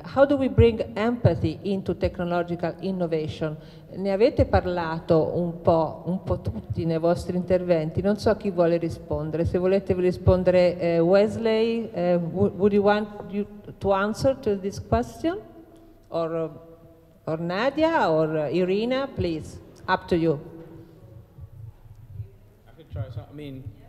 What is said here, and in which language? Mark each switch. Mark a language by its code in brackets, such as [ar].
[en] How do we bring empathy into technological innovation? [it] Ne avete parlato un po' tutti nei vostri interventi. Non so chi vuole rispondere. Se volete rispondere, Wesley, [en] would you want you to answer to this question? Or Nadia or Irina, please. Up to you. I could try something. I mean,